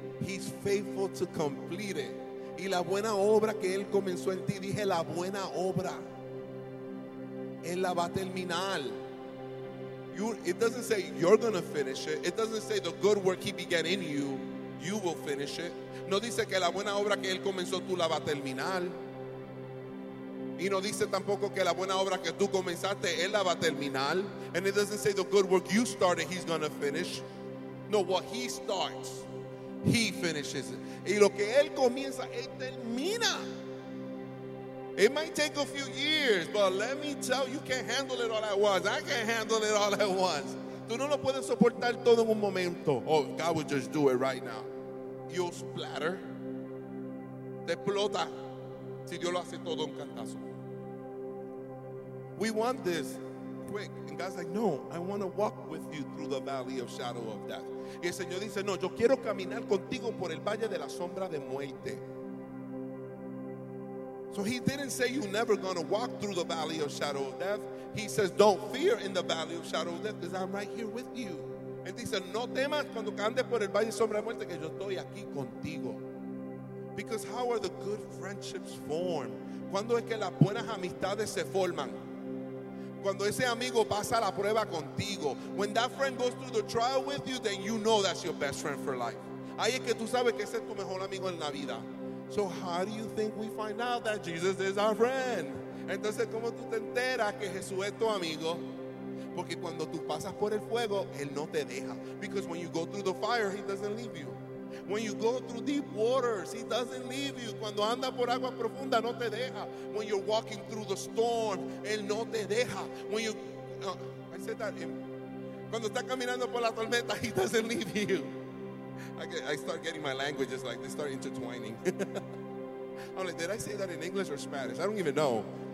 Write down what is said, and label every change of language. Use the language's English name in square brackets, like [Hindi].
[English] He's faithful to complete it. [Spanish] Y la buena obra que él comenzó en ti, dije la buena obra. Él la va a terminar. [English] It doesn't say you're going to finish it. It doesn't say the good work he began in you, you will finish it. [Spanish] No dice que la buena obra que él comenzó tú la va a terminar. Y no dice tampoco que la buena obra que tú comenzaste él la va a terminar. [English] And it doesn't say the good work you started he's going to finish. No, what he starts, he finishes it. [Spanish] Y lo que él comienza, él termina. [English] It might take a few years, but let me tell you, you can't handle it all at once. I can't handle it all at once. [Spanish] Tú no lo puedes soportar todo en un momento. [English] Oh, God would just do it right now. You'll splatter. [Spanish] Te explota. Si Dios lo hace todo un cantazo. [English] We want this quick. And God's like, no, I want to walk with you through the valley of shadow of death. [Spanish] Y el Señor dice, no, yo quiero caminar contigo por el valle de la sombra de muerte. [English] So he didn't say you're never going to walk through the valley of shadow of death. He says, don't fear in the valley of shadow of death because I'm right here with you. [Spanish] Él dice, no temas cuando andes por el valle de sombra de muerte que yo estoy aquí contigo. [English] Because how are the good friendships formed? [Spanish] ¿Cuándo es que las buenas amistades se forman? Cuando ese amigo pasa la prueba contigo. [English] When that friend goes through the trial with you, then you know that's your best friend for life. [Spanish] Ahí es que tú sabes que ese es tu mejor amigo en la vida. [English] So how do you think we find out that Jesus is our friend? [Spanish] Entonces, ¿cómo tú te enteras que Jesús es tu amigo? Porque cuando tú pasas por el fuego, Él no te deja. [English] Because when you go through the fire, He doesn't leave you. When you go through deep waters, He doesn't leave you. [Spanish] Cuando anda por agua profunda, no te deja. [English] When you're walking through the storm, [Spanish] Él no te deja. [English] When you, I said that, [Spanish] cuando estás caminando por la tormenta, [English] He doesn't leave you. I start getting my languages like they start intertwining. I'm like, did I say that in English or Spanish? I don't even know.